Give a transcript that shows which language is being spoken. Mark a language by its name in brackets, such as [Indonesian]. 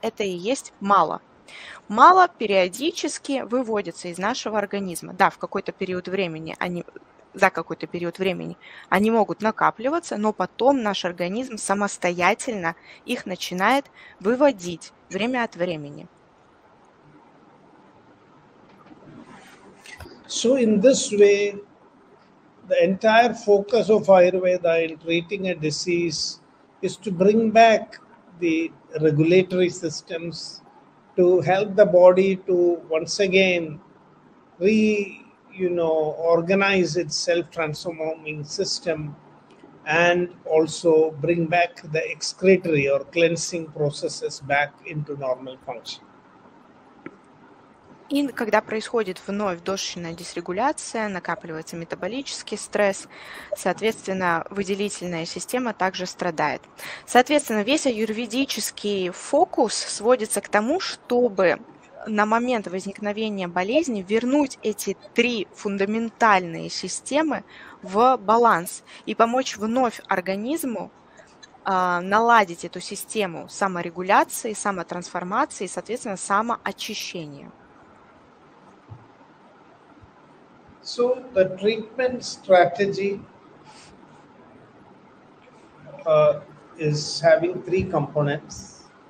[Russian] Это и есть мало. Мало периодически выводится из нашего организма. Да, в какой-то период времени они... за какой-то период времени они могут накапливаться, но потом наш организм самостоятельно их начинает выводить время от времени. [English] So in this way, the entire focus of Ayurveda in treating a disease is to bring back the regulatory systems to help the body to once again organize its self-transforming system and also bring back the excretory or cleansing processes back into normal function. [Russian] И когда происходит вновь дошечная дисрегуляция, накапливается метаболический стресс, соответственно, выделительная система также страдает. Соответственно, весь аюрведический фокус сводится к тому, чтобы на момент возникновения болезни вернуть эти три фундаментальные системы в баланс и помочь вновь организму наладить эту систему саморегуляции, самотрансформации и, соответственно, самоочищения. [English] So the treatment strategy is having three components.